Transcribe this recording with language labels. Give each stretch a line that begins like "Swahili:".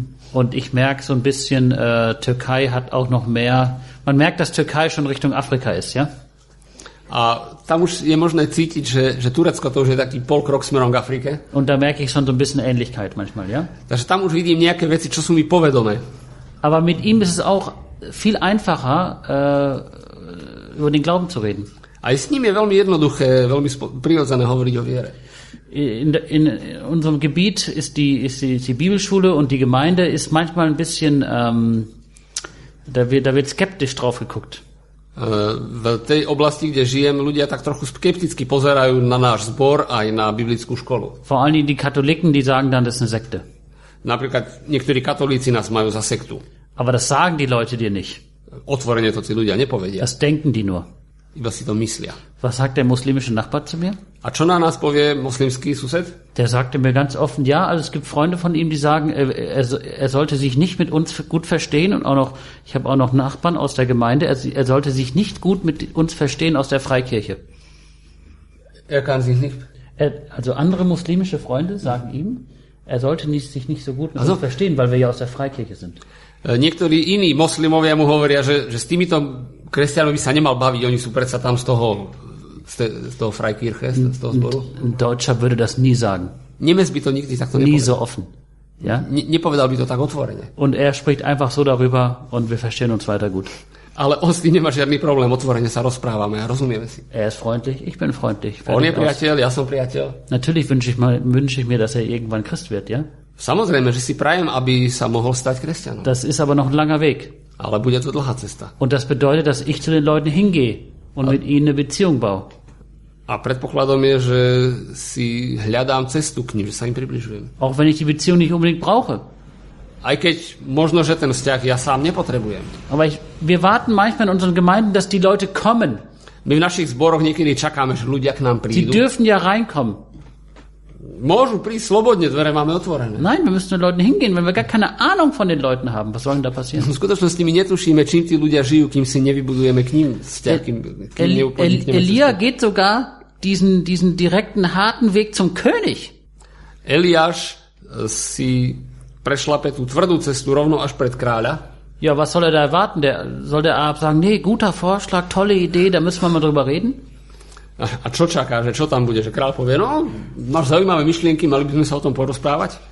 German: Und ich merke so ein bisschen, Türkei hat auch noch mehr. Man merkt, dass Türkei schon Richtung Afrika ist, ja?
Slovak: A tam už je možné cítiť, že Turecko to už je taký polkrok smerom k Afrike.
German: Und da merke ich schon so ein bisschen Ähnlichkeit manchmal, ja?
Slovak: Takže tam už vidím nejaké veci, čo sú mi povedomé.
German: Aber mit ihm ist es auch viel einfacher, über den Glauben zu reden.
Slovak: Aj s ním je veľmi jednoduché, veľmi prirodzené hovoriť o viere.
German: In unserem Gebiet ist die Bibelschule und die Gemeinde ist manchmal ein bisschen, da wird skeptisch drauf geguckt.
Slovak: V tej oblasti, kde žijem, ľudia tak trochu skepticky pozerajú na náš zbor aj na biblickú školu.
German: Vor allem die Katholiken, die sagen dann, das ist eine Sekte.
Slovak: Napríklad niektorí katolíci nás majú za sektu.
German: Aber das sagen die Leute dir nicht.
Slovak: Otvorene to tí ľudia nepovedia.
German: Das denken die nur.
Slovak: Iba si to myslia.
German: Was sagt der muslimische Nachbar zu mir?
Slovak: A čo na nás povie muslimský sused?
German: Der sagte mir ganz offen, ja, also es gibt Freunde von ihm, die sagen, er sollte sich nicht mit uns gut verstehen und auch noch, ich habe auch noch Nachbarn aus der Gemeinde, er sollte sich nicht gut mit uns verstehen aus der Freikirche. Er kann sich nicht... Also andere muslimische Freunde sagen ihm, er sollte sich nicht so gut mit uns verstehen, weil wir ja aus der Freikirche sind.
Slovak: Niektorí iní moslimovia mu hovoria, že s týmito kresťanmi sa nemal baviť, oni sú predsa tam z toho Freikirche, z toho zboru.
German: Deutscher würde das nie sagen.
Slovak: Nemec by to nikdy takto nie nepovedal.
German: Nie so offen. Ja?
Slovak: Nepovedal by to tak otvorene.
German: Und er spricht einfach so darüber und wir verstehen uns weiter gut.
Slovak: Ale on s tým nemá žiadny problém, otvorene sa rozprávame a rozumieme si.
German: Er ist freundlich, ich bin freundlich.
Slovak: On je priateľ, ja som priateľ.
German: Natürlich wünsche ich mir, dass er irgendwann Christ wird, ja?
Slovak: Samozrejme, že si prajem, aby sa mohol stať kresťanom.
German: Das ist aber noch ein langer Weg.
Slovak: Ale bude to dlhá cesta.
German: Und das bedeutet, dass ich zu den Leuten hingehe und mit ihnen eine Beziehung baue.
Slovak: A predpokladom je, že si hľadám cestu k ním, že sa im približujem.
German: Auch wenn ich die Beziehung nicht unbedingt brauche.
Slovak: Aj keď možno, že ten vzťah ja sám nepotrebujem.
German: Aber wir warten manchmal in unseren Gemeinden, dass die Leute kommen.
Slovak: My v našich zboroch niekedy čakáme, že ľudia k nám prídu.
German: Die dürfen ja reinkommen.
Slovak: Môžu prísť slobodne, dvere máme otvorené.
German: Nein, wir müssen den Leuten hingehen, wenn wir gar keine Ahnung von den Leuten haben. Was soll denn da passieren?
Slovak: V skutočnosti my netušíme, čím tí ľudia žijú, kým si nevybudujeme k ním vzťah, kým neupodnikneme.
German: Elia geht sogar diesen direkten, harten Weg zum König.
Slovak: Eliáš si prešlape tú tvrdú cestu rovno až pred kráľa.
German: Ja, was soll er da erwarten? Soll der Ahab sagen, nee, guter Vorschlag, tolle Idee, da müssen wir mal drüber reden?
Slovak: A čo čaká, že čo tam bude? Že kráľ povie, no, máš zaujímavé myšlienky, mali by sme sa o tom porozprávať?